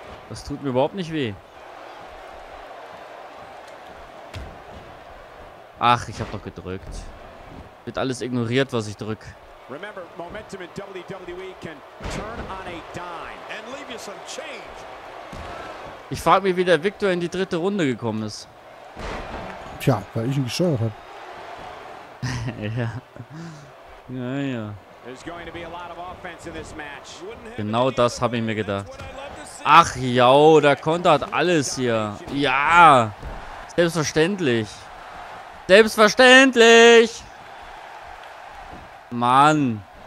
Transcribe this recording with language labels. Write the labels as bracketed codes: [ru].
[de] Das tut mir überhaupt nicht weh. Ach, ich hab doch gedrückt. Wird alles ignoriert, was ich drück. [en] Remember, momentum in WWE can turn on a dime and leave you some change. [de] Ich frag mich, wie der Victor in die dritte Runde gekommen ist. Tja, weil ich ihn gesteuert hab. Ja. Ja, ja. [en] There's going to be a lot of offense in this match. [de] Genau das habe ich mir gedacht. Ach, ja, der Konter hat alles hier. Ja, selbstverständlich. Selbstverständlich! Mann!